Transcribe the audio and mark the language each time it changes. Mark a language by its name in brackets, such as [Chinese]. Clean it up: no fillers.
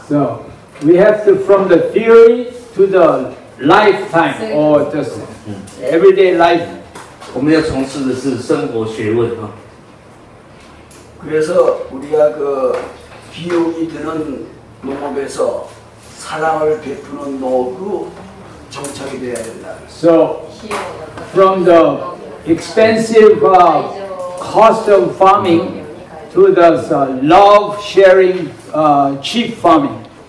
[English] So we have to from the theory to the lifetime or just everyday life. [Chinese] 我们要从事的是生活学问啊。 [Korean] 그래서 우리가 그 비용이 드는 농업에서 사랑을 베푸는 농업으로 정착이 되어야 된다. [English] So from the expensive cost of farming to the love sharing cheap farming.